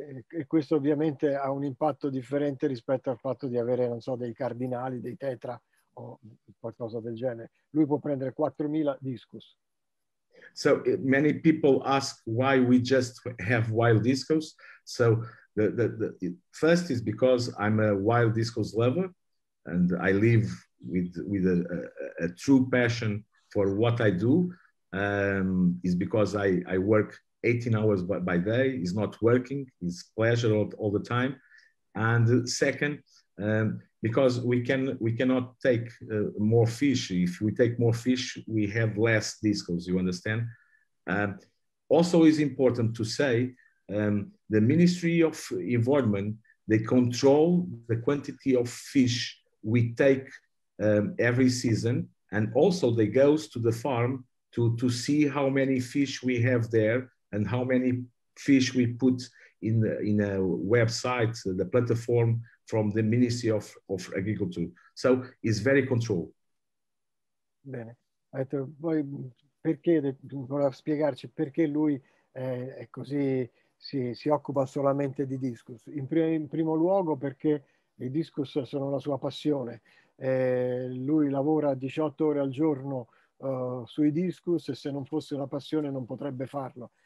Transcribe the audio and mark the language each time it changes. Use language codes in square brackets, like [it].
[it] E questo ovviamente ha un impatto differente rispetto al fatto di avere, non so, dei cardinali, dei tetra, o qualcosa del genere. Lui può prendere 4.000 discus. [en] So many people ask why we just have wild discus. So the first is because I'm a wild discus lover and I live with a true passion for what I do. Is because I work 18 hours by day. It's not working, it's pleasure all the time. And second, because we cannot take more fish. If we take more fish, we have less discos, you understand? Also is important to say, the Ministry of Environment, they control the quantity of fish we take every season. And also they go to the farm to see how many fish we have there and how many fish we put in a website, the platform from the Ministry of Agriculture. So it's very controlled. [it] Bene. Poi perché voleva spiegarci perché lui è così, si occupa solamente di discus. In primo luogo perché i discus sono la sua passione. Lui lavora 18 ore al giorno sui discus e se non fosse una passione non potrebbe farlo.